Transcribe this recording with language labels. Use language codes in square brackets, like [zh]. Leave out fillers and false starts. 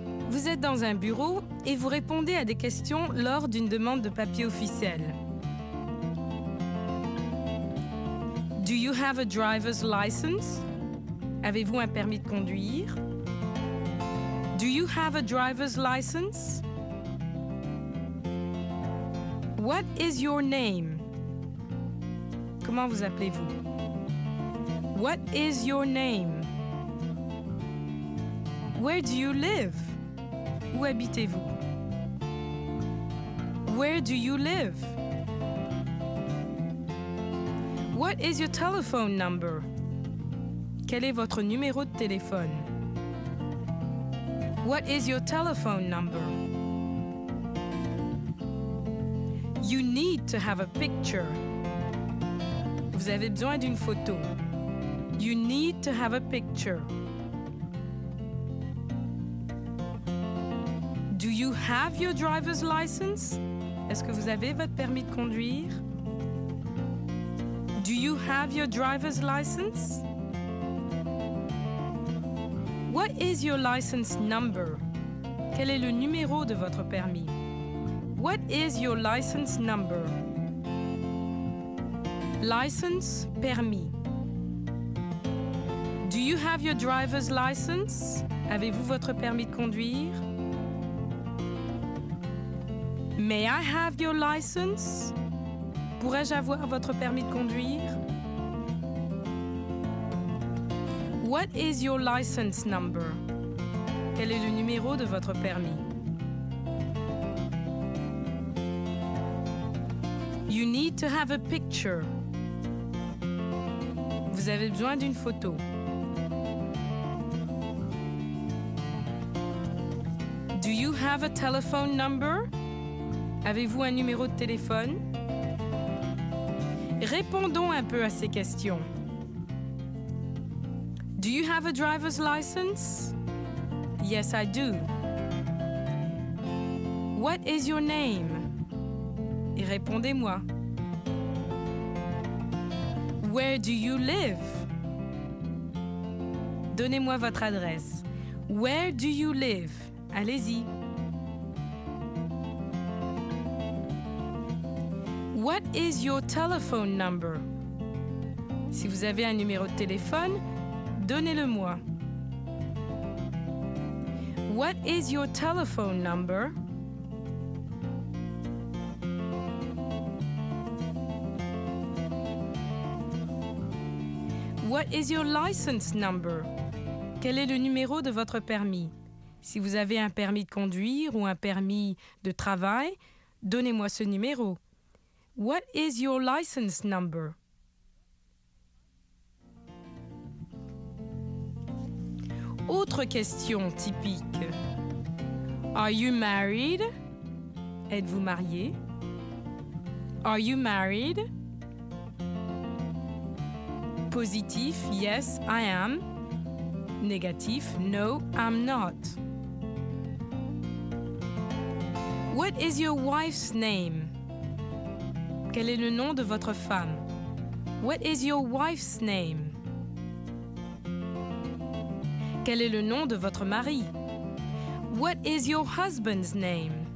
[fr] Vous êtes dans un bureau et vous répondez à des questions lors d'une demande de papier officiel. [en] Do you have a driver's license? [fr] Avez-vous un permis de conduire? [en] Do you have a driver's license? What is your name? [fr] Comment vous appelez-vous? [en] What is your name? Where do you live? [fr] Où habitez-vous? [en] Where do you live? What is your telephone number? [fr] Quel est votre numéro de téléphone? [en] What is your telephone number? You need to have a picture. [fr] Vous avez besoin d'une photo. [en] You need to have a picture. Do you have your driver's license? [fr] Est-ce que vous avez votre permis de conduire? [en] Do you have your driver's license? What is your license number? [fr] Quel est le numéro de votre permis? [en] What is your license number? License, permis. Do you have your driver's license? [fr] Avez-vous votre permis de conduire? [en] May I have your license? [fr] Pourrais-je avoir votre permis de conduire? [en] What is your license number? [fr] Quel est le numéro de votre permis? [en] You need to have a picture. [fr] Vous avez besoin d'une photo. [en] Do you have a telephone number? [fr] Avez-vous un numéro de téléphone? Répondons un peu à ces questions. [en] Do you have a driver's license? Yes, I do. What is your name? [fr] Et répondez-moi. [en] Where do you live? [fr] Donnez-moi votre adresse. [en] Where do you live? [fr] Allez-y. [en] What is your telephone number? [fr] Si vous avez un numéro de téléphone, donnez-le-moi. [en] What is your telephone number? What is your license number? [fr] Quel est le numéro de votre permis? Si vous avez un permis de conduire ou un permis de travail, donnez-moi ce numéro. [en] What is your license number? [fr] Autre question typique. [en] Are you married? [fr] Êtes-vous marié? [en] Are you married? Positif, yes, I am. Négatif, no, I'm not. What is your wife's name? [fr] Quel est le nom de votre femme? [en] What is your wife's name? [fr] Quel est le nom de votre mari? [en] What is your husband's name?